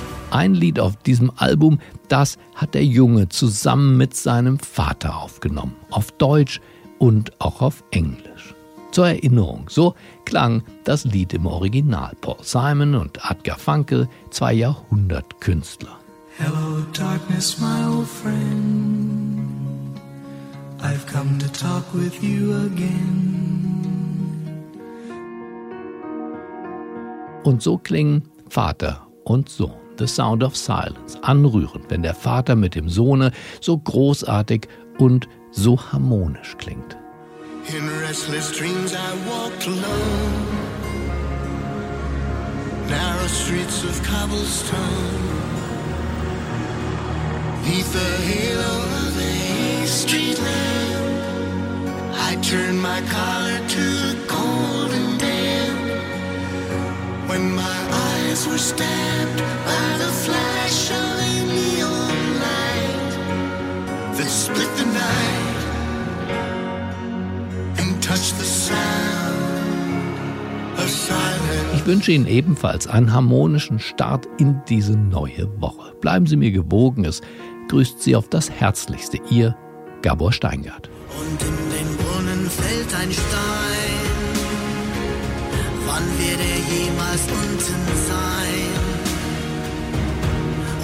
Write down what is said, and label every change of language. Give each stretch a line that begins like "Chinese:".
German: Ein Lied auf diesem Album, das hat der Junge zusammen mit seinem Vater aufgenommen. Auf Deutsch und auch auf Englisch. Zur Erinnerung, so klang das Lied im Original. Paul Simon und Art Garfunkel, zwei Jahrhundertkünstler.
English: Hello darkness, my old friend. I've come to talk with you again.
German: Und so klingen Vater und Sohn. The Sound of Silence, anrührend, wenn der Vater mit dem Sohne so großartig und so harmonisch klingt.
English: In restless dreams I walked alone, narrow streets of cobblestone, neath the halo of a street lamp, I turned my collar to the cold and damp, when my eyes were stabbed by the flash of a neon light that split the night and touched the sound of silence.
German: Ich wünsche Ihnen ebenfalls einen harmonischen Start in diese neue Woche. Bleiben Sie mir gewogen, es grüßt Sie auf das Herzlichste, Ihr Gabor Steingart. Und in den Brunnen fällt ein Stein, wann wird er jemals unten sein?